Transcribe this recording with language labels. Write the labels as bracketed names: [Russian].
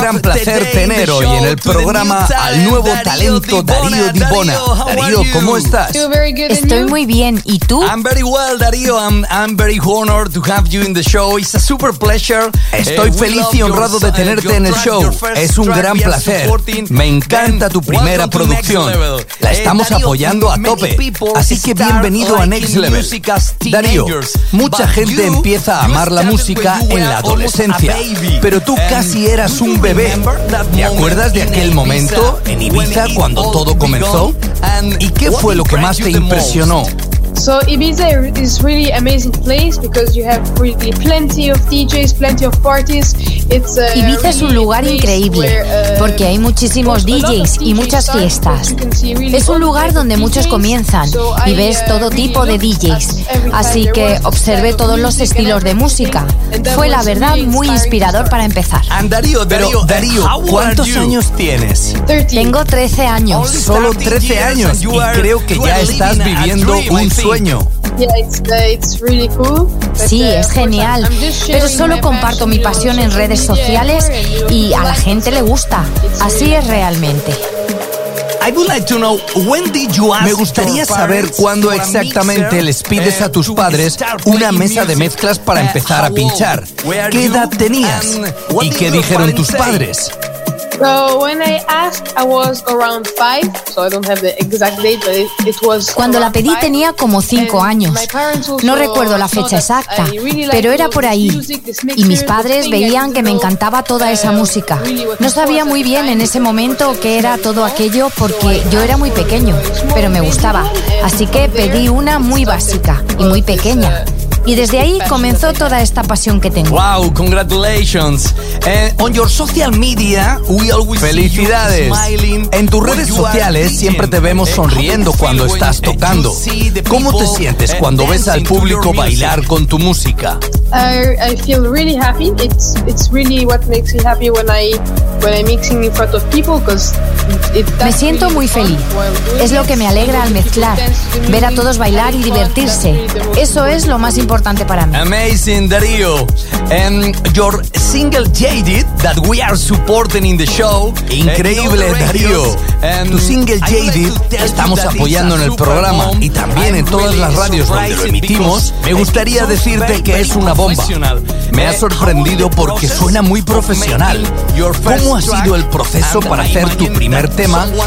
[Spanish] Gran placer tener hoy en el programa al nuevo talento Darío Dibona. Darío, ¿cómo estás? Estoy muy bien. ¿Y tú? [English] I'm very well, Darío. I'm very honored to have you in the show. It's a super pleasure. [Spanish] Estoy feliz y honrado de tenerte en el show. Es un gran placer. Me encanta tu primera producción. La estamos apoyando a tope. Así que bienvenido a Next Level. Darío, mucha gente empieza a amar la música en la adolescencia, pero tú casi eras un bebé. ¿Te acuerdas de aquel momento en Ibiza cuando todo comenzó? ¿Y qué fue lo que más te impresionó? [English] So Ibiza is really amazing place because you have really plenty of DJs, plenty of parties. It's a [Spanish] Ibiza es un lugar increíble porque hay muchísimos DJs y muchas fiestas. Es un lugar donde muchos comienzan y ves todo tipo de DJs. Así que observé todos los estilos de música. Fue la verdad muy inspirador para empezar. Darío, ¿cuántos años tienes? Tengo 13 años. Solo 13 años y creo que ya estás viviendo un sueño. Sí, es genial, pero solo comparto mi pasión en redes sociales y a la gente le gusta. Así es realmente. Me gustaría saber cuándo exactamente les pides a tus padres una mesa de mezclas para empezar a pinchar. ¿Qué edad tenías? ¿Y qué dijeron tus padres? [English] So when I asked, I was around 5, so I don't have the exact date, but it was. [Spanish] Cuando la pedí tenía como 5 años. No recuerdo la fecha exacta, pero era por ahí. Y mis padres veían que me encantaba toda esa música. No sabía muy bien en ese momento qué era todo aquello porque yo era muy pequeño, pero me gustaba. Así que pedí una muy básica y muy pequeña. Y desde ahí comenzó toda esta pasión que tengo. [English] Wow, congratulations. On your social media, we always [Spanish] felicidades. [English] See you smiling. [Spanish] En tus redes sociales siempre te vemos sonriendo cuando estás tocando. ¿Cómo te sientes cuando ves al público bailar con tu música? [English] I feel really happy. It's really what makes me happy when I'm mixing in front of people because [Spanish] me siento [English] really [Spanish] muy feliz. Es lo que me alegra al mezclar, ver a todos bailar y divertirse. Eso es lo más importante para mí. [English] Amazing, Darío. And your single Jaded that we are supporting in the show. [Spanish] Increíble, Darío. Tu single Jaded estamos apoyando en el programa y también en todas las radios donde lo emitimos. Me gustaría decirte que es una bomba. Me ha sorprendido porque suena muy profesional. ¿Cómo ha sido el proceso para hacer tu primer tema?